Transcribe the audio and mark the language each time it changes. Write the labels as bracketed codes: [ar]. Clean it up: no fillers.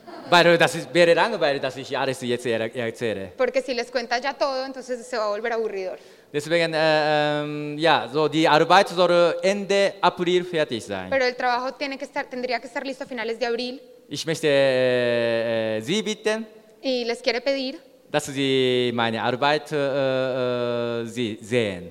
[de] Weil das wäre langweilig, dass ich alles jetzt erzähle. [es] Porque si les cuentas ya todo, entonces se va a volver aburridor. [de] Deswegen, ja, so die Arbeit soll Ende April fertig sein. [es] Pero el trabajo tiene que estar, tendría que estar listo a finales de abril. [de] Ich möchte Sie bitten, [es] y les quiere pedir, [de] dass Sie meine Arbeit sehen.